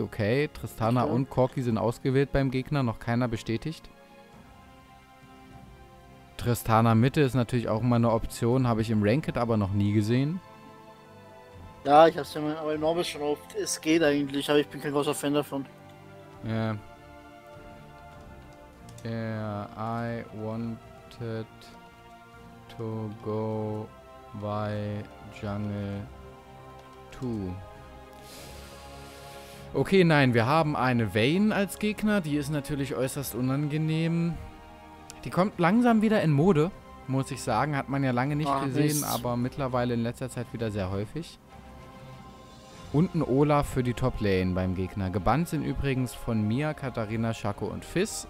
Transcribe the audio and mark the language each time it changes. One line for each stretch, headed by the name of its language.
German: Okay, Tristana und Corki sind ausgewählt beim Gegner, noch keiner bestätigt. Tristana Mitte ist natürlich auch immer eine Option, habe ich im Ranked aber noch nie gesehen. Ja, ich habe es ja aber im Normal schon oft. Es geht eigentlich, aber ich bin kein großer Fan davon. Ja.
English: Yeah, I wanted to go by Jungle 2.
German: Okay, nein, wir haben eine Vayne als Gegner. Die ist natürlich äußerst unangenehm. Die kommt langsam wieder in Mode, muss ich sagen. Hat man ja lange nicht gesehen, aber mittlerweile in letzter Zeit wieder sehr häufig. Und ein Olaf für die Top-Lane beim Gegner. Gebannt sind übrigens von mir Katarina, Shaco und Fizz.